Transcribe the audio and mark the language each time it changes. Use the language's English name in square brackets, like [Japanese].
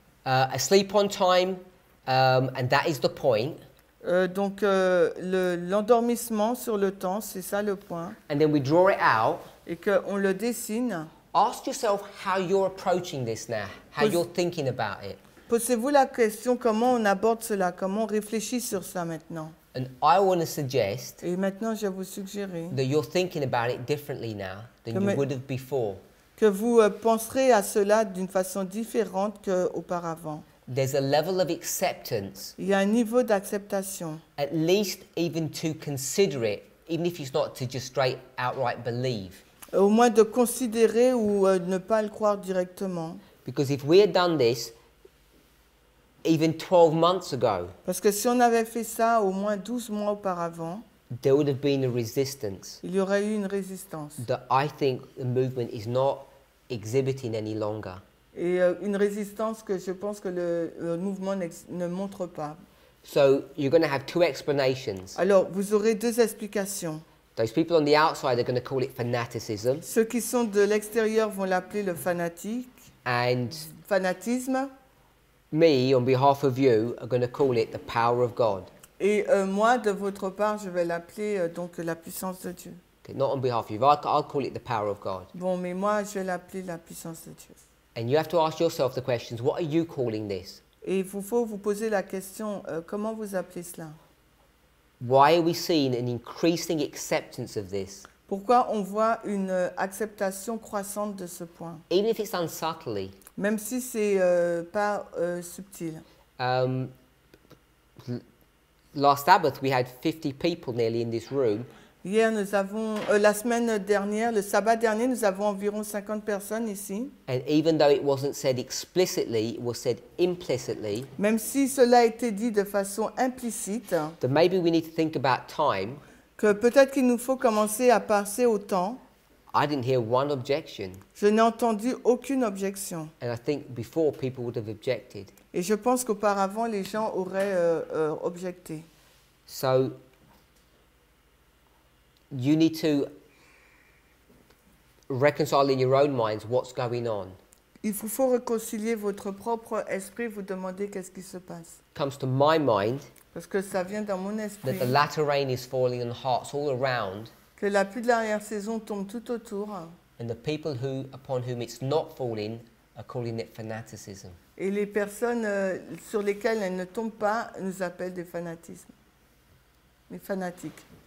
[English] asleep on time, and that is the point. [French] L'endormissement sur le temps, c'est ça le point. [English] And then we draw it out. [French] Et qu'on le dessine. [English] Ask yourself how you're approaching this now, how you're thinking about it. [French] Posez-vous la question comment on aborde cela, comment on réfléchit sur ça maintenant. [English] And I want to suggest. [French] Et maintenant, je vais vous suggérer. [English] That you're thinking about it differently now than you would have before. [French] Que vous penserez à cela d'une façon différente qu'auparavant. [English] There's a level of acceptance. [French] Il y a un niveau d'acceptation. [English] At least even to consider it, even if it's not to just straight outright believe. [French] Au moins de considérer ou ne pas le croire directement. [English] Because if we had done this even 12 months ago. [French] Parce que si on avait fait ça au moins 12 mois auparavant. [English] There would have been a resistance. [French] Il y aurait eu une résistance. [English] That I think the movement is not exhibiting any longer. [French] Et une résistance que je pense que le mouvement ne montre pas. [English] So you're going to have two explanations. [French] Alors vous aurez deux explications. [English] Those people on the outside are going to call it fanaticism. [French] Ceux qui sont de l'extérieur vont l'appeler le fanatique. [English] And [French] fanatisme. [English] Me, on behalf of you, are going to call it the power of God. [French] Et moi, de votre part, je vais l'appeler donc la puissance de Dieu. [English] Okay, not on behalf of you. I'll call it the power of God. [French] Bon, mais moi, je vais l'appeler la puissance de Dieu. [English] And you have to ask yourself the questions, what are you calling this? [French] Et il faut vous poser la question, comment vous appelez cela? [English] Why are we seeing an increasing acceptance of this? [French] Pourquoi on voit une acceptation croissante de ce point? [English] Even if it's unsubtly. [French] Même si c'est pas subtil. [English] Last Sabbath, we had 50 people nearly in this room. [French] Hier, nous avons, la semaine dernière, le sabbat dernier, nous avons environ 50 personnes ici. [English] And even though it wasn't said explicitly, it was said implicitly. [French] Même si cela a été dit de façon implicite. [English] That maybe we need to think about time. [French] Que peut-être qu'il nous faut commencer à passer au temps. [English] I didn't hear one objection. [French] Je n'ai entendu aucune objection. [English] And I think before people would have objected. [French] Et je pense qu'auparavant, les gens auraient objecté. [English] So, you need to reconcile in your own minds what's going on. [French] Il vous faut réconcilier votre propre esprit, vous demander qu'est-ce qui se passe. [English] Comes to my mind. [French] Parce que ça vient dans mon esprit. [English] That the latter rain is falling on hearts all around. [French] Que la pluie de l'arrière-saison tombe tout autour. [English] And the people who, upon whom it's not falling, are calling it fanaticism. [French] Et les personnes sur lesquelles elles ne tombent pas nous appellent des fanatismes, des fanatiques.